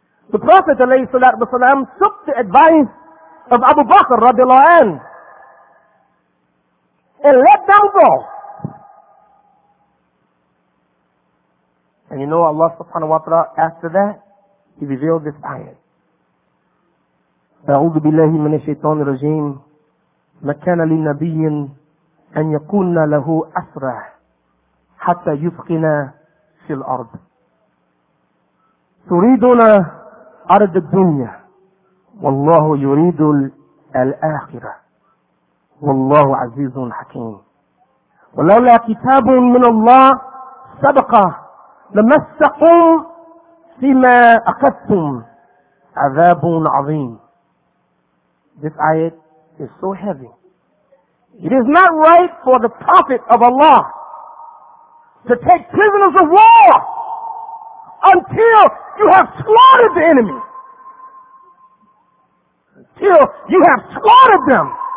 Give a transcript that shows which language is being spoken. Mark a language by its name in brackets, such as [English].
[English] The Prophet ﷺ took the advice of Abu Bakr radiallahu anhu and let them go. And you know Allah subhanahu wa ta'ala, after that, He revealed this ayat. [Arabic] أعوذ بالله من الشيطان الرجيم ما كان للنبي أن يكون له أسرى حتى يثقن في الأرض تريدون أرض الدنيا والله يريد الآخرة والله عزيز حكيم ولولا كتاب من الله سبق لمسكم فيما أخذتم عذاب عظيم. [English] This ayat is so heavy. It is not right for the Prophet of Allah to take prisoners of war until you have slaughtered the enemy. Until you have slaughtered them.